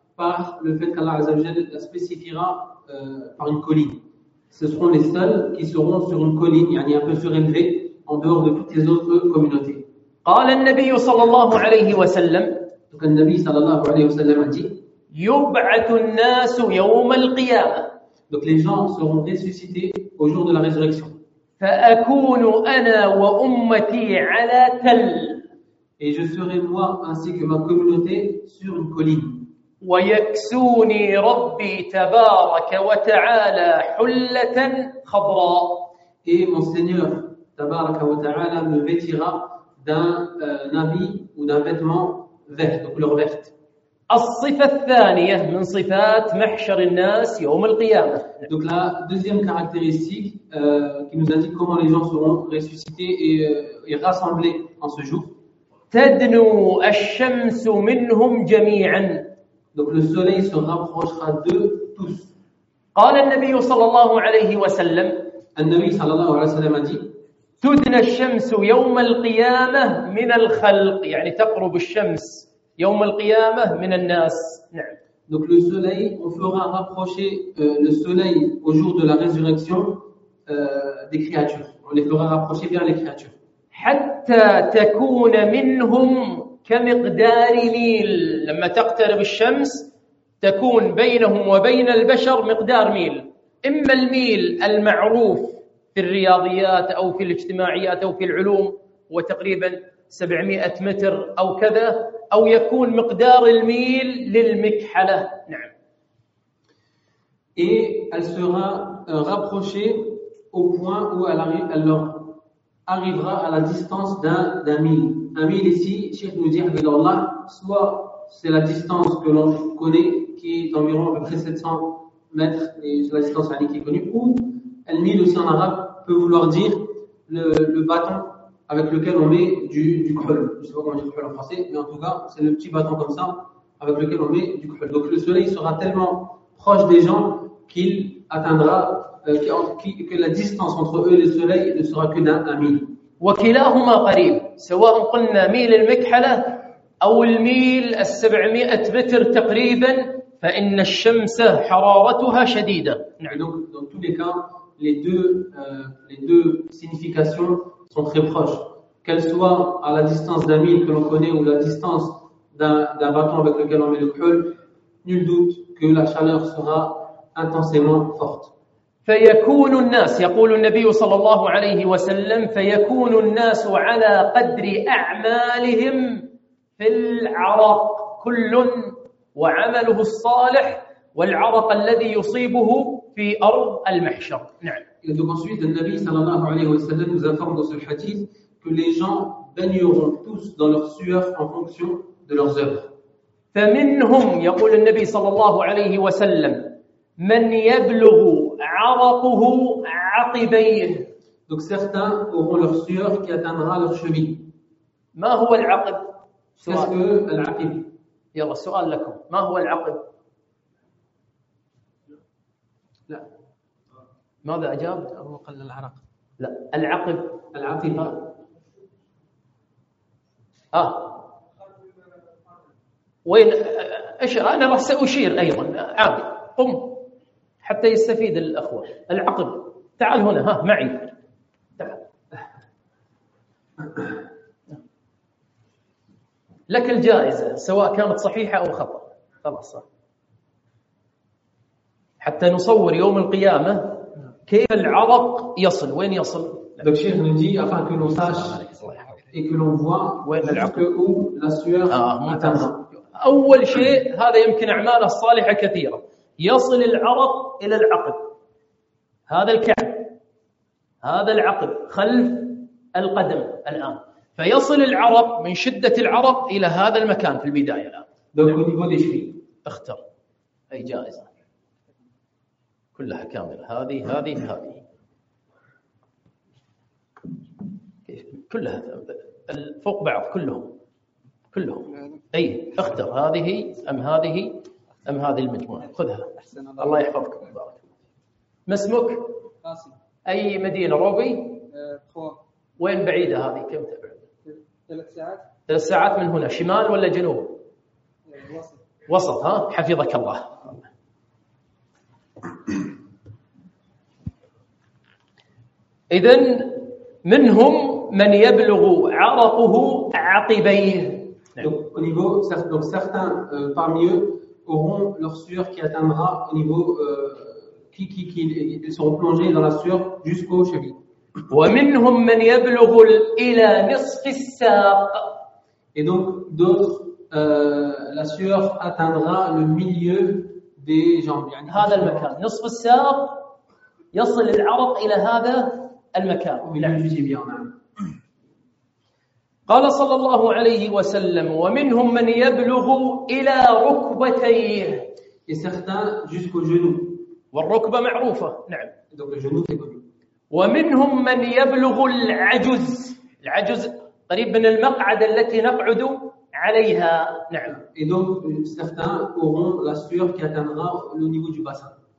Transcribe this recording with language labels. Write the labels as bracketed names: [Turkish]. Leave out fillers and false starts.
[French] par le fait qu'Allah Azza wa Jalla la spécifiera par une colline. Ce seront les seuls qui seront sur une colline, yani un peu surélevée, en dehors de toutes les autres communautés. [Arabic] قال النبي صلى الله عليه وسلم. [French] Donc le Nabi [Arabic] صلى الله عليه وسلم [French] a dit. [Arabic] يبعث الناس يوم القيامة. [French] Donc les gens seront ressuscités au jour de la résurrection. [Arabic] فأكون أنا وأمتي على تل. [French] Et je serai moi ainsi que ma communauté sur une colline. [Arabic] ويكسوني ربي تبارك وتعالى حلة خضراء. [French] Et mon Seigneur [Arabic] تبارك وتعالى [French] me vêtira d'un habit ou d'un vêtement vert, de couleur verte. [Arabic] الصفة الثانية من صفات محشر الناس يوم القيامة. [French] Donc la deuxième caractéristique qui nous indique comment les gens seront ressuscités et rassemblés en ce jour. [Arabic] تدنو الشمس منهم جميعا. [French] Donc le soleil se rapprochera d'eux tous. [Arabic] قال النبي صلى الله عليه وسلم. النبي صلى الله عليه وسلم [French] a dit. [Arabic] تدنى الشمس يوم القيامة من الخلق يعني تقرب الشمس يوم القيامة من الناس. نعم. [French] Donc le soleil, on fera rapprocher le soleil au jour de la résurrection des créatures. On les fera rapprocher vers les créatures. [Arabic] حتى تكون منهم كمقدار ميل لما تقترب الشمس تكون بينهم وبين البشر مقدار ميل إما الميل المعروف في الرياضيات أو في الاجتماعيات أو في العلوم وتقريبا 700 متر أو كذا أو يكون مقدار الميل للمكحلة. نعم. [French] Et elle sera rapprochée au point où elle arrivera à la distance d'un mille. Un mille ici, Cheikh nous dit, Allah, soit c'est la distance que l'on connaît, qui est environ à peu près 700 mètres, et c'est la distance à qui est connue, ou un mille aussi en arabe peut vouloir dire le bâton avec lequel on met du khul. Je ne sais pas comment dire khul en français, mais en tout cas, c'est le petit bâton comme ça avec lequel on met du khul. Donc le soleil sera tellement proche des gens qu'il atteindra que la distance entre eux et le soleil ne sera que d'un mille. [Arabic] وكلاهما قريب سواء قلنا ميل المكحلة أو الميل 700 متر تقريبا فإن الشمس حرارتها شديدة. [French] Donc dans tous les cas les deux significations sont très proches, qu'elle soit à la distance d'un mille que l'on connaît ou la distance d'un bâton avec lequel on met le khul, nul doute que la chaleur sera intensément forte. [Arabic] فيكون الناس يقول النبي صلى الله عليه وسلم فيكون الناس على قدر أعمالهم في العرق كل وعمله الصالح والعرق الذي يصيبه في أرض المحشر. نعم. [French] Donc ensuite, [Arabic] النبي صلى الله عليه وسلم [French] nous informe dans ce hadith que les gens baigneront tous dans leur sueur en fonction de leurs œuvres. [Arabic] فمنهم يقول النبي صلى الله عليه وسلم من يبلغ عرقه عقبين. [French] Donc certains auront leur sueur qui atteindra leur cheville. [Arabic] ما هو العقب؟ [French] Qu'est-ce que العقب؟ [Arabic] يلا سؤال لكم. ما هو العقب؟ لا. ماذا أجاب؟ هو قل العرق. لا. العقب. العقب. وين؟ إيش؟ أنا راح سأشير أيضا. عادي. قم. حتى يستفيد الأخوة. العقب. تعال هنا ها معي. تعال. لك الجائزة سواء كانت صحيحة أو خطأ. خلاص. حتى نصور يوم القيامة كيف العرق يصل وين يصل. [French] Donc Cheikh nous dit afin que l'on sache et que l'on voit [Arabic] وين العقب. [French] Où la sueur atteindra. [Arabic] أول شيء هذا يمكن أعماله الصالحة كثيرة. يصل العرق إلى العقب هذا الكعب هذا العقب خلف القدم الآن فيصل العرق من شدة العرق إلى هذا المكان في البداية الآن. دكتور نقول إيش في؟ اختر أي جائزة كلها كاملة هذه هذه هذه كلها فوق بعض كلهم أي اختر هذه أم هذه أم هذه المجموعة خذها الله يحفظك مبارك. ما اسمك؟ قاسم. أي مدينة روبي؟ خوان. وين بعيدة هذه كم تبعد؟ ثلاث ساعات. ثلاث ساعات من هنا شمال ولا جنوب؟ وسط. وسط ها حفظك الله. إذن منهم من يبلغ عرقه عقبيه. [French] Donc, au niveau, donc certains parmi eux auront leur sueur qui atteindra au niveau qui ils seront plongés dans la sueur jusqu'aux chevilles. [Arabic] ومنهم من يبلغ إلى نصف الساق. [French] Et donc d'autres la sueur atteindra le milieu des jambes. [Arabic] يعني هذا المكان نصف الساق يصل العرق إلى هذا المكان. قال صلى الله عليه وسلم ومنهم من يبلغ إلى ركبتيه. يستخدم [French] jusqu'au genou. [Arabic] والركبة معروفة. نعم. [French] Donc le genou est connu. [Arabic] ومنهم من يبلغ العجز. العجز قريب من المقعد التي نقعد عليها. نعم. [French] Et donc certains auront la sueur qui atteindra le niveau du bassin.